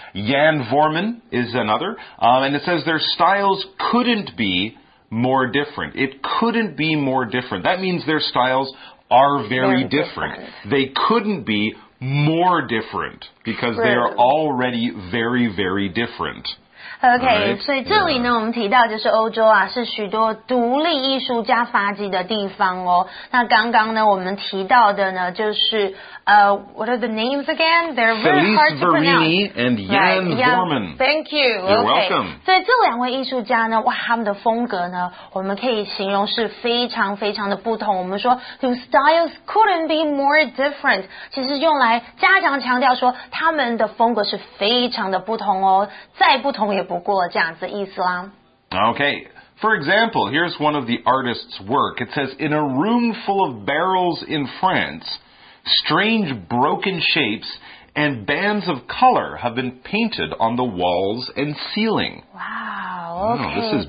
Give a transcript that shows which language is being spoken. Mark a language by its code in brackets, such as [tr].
[en] Jan Vorman is another. And it says their styles couldn't be more different. It couldn't be more different. That means their styles are very different. They couldn't be more different because they are already very, very different. OK, right, [zh] 所以这里呢我们提到就是欧洲啊是许多独立艺术家发迹的地方哦。那刚刚呢我们提到的呢就是 [en] what are the names again? They're very hard to pronounce. Felice Verini and Jan Vorman. Thank you. You're welcome. [zh] 所以这两位艺术家呢哇他们的风格呢我们可以形容是非常非常的不同。我们说 [en] whose styles couldn't be more different. [zh] 其实用来加强强调说他们的风格是非常的不同哦。再不同也不过这样子意思啦。 [en] Okay, for example, here's one of the artist's work. It says, in a room full of barrels in France, strange broken shapes and bands of color have been painted on the walls and ceiling. Wow, okay.